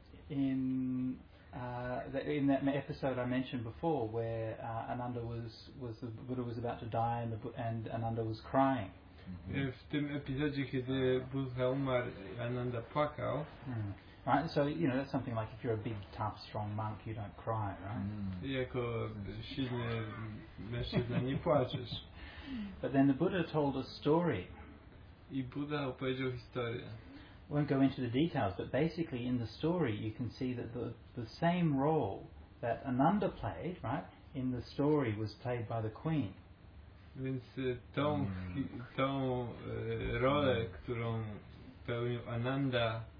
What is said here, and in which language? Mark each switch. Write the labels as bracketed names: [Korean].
[English] In that episode I mentioned before, where Ananda was the Buddha was about to die and Ananda was crying. Mm-hmm. [Polish] W tym epizodzie, kiedy Buddha umarł, Ananda płakał. Mm. [English] Right, so you know that's something like if you're a big, tough, strong monk, you don't cry, right? [Polish] Jako silny mężczyzna nie płaczesz. [English] But then the Buddha told a story. [Polish] I Buddha opowiedział historię. [English] I won't go into the details, but basically in the story you can see that the same role that Ananda played, right, in the story was played by the queen. [Polish] Więc tą rolę, którą pełnił Ananda.